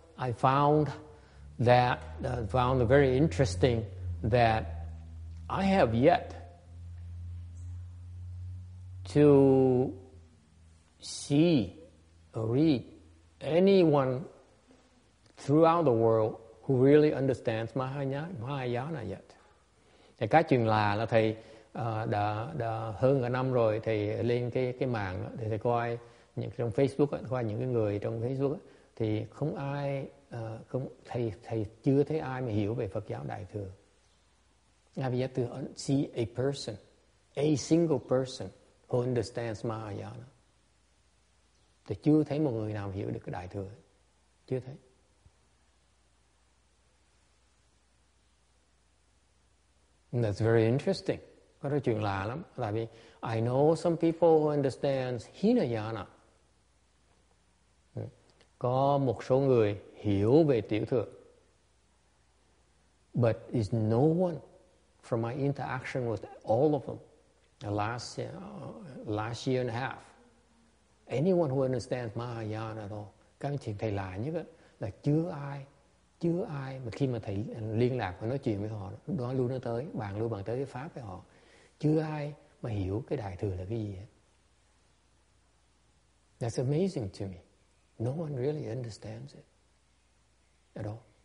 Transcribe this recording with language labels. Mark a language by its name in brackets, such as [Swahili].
[English] I found that found it very interesting that I have yet to see or read anyone throughout the world who really understands Mahayana yet. [Vietnamese] Thì cái chuyện là thầy đã hơn cả năm rồi, thầy lên cái mạng để thầy coi những trong Facebook, coi những cái người trong Facebook thì không ai không thầy chưa thấy ai mà hiểu về Phật giáo Đại Thừa. [English] I have yet to see a person, a single person who understands Mahayana. [Vietnamese] Thì chưa thấy một người nào hiểu được cái Đại Thừa, chưa thấy. [English] And that's very interesting. [Vietnamese] Có cái chuyện lạ lắm. Tại vì [English] I know some people who understands Hinayana. [Vietnamese] Có một số người hiểu về Tiểu Thừa. [English] But is no one from my interaction with all of them the last year and a half. Anyone who understands Mahayana at all. [Vietnamese] Cái chuyện thầy lạ nhất ấy, là chưa ai mà khi mà thầy liên lạc và nói chuyện với họ, đó luôn nó tới, bàn luôn bàn tới cái pháp với họ. Chưa ai mà hiểu cái Đại Thừa là cái gì hết. [English] That's amazing to me. No one really understands it at all.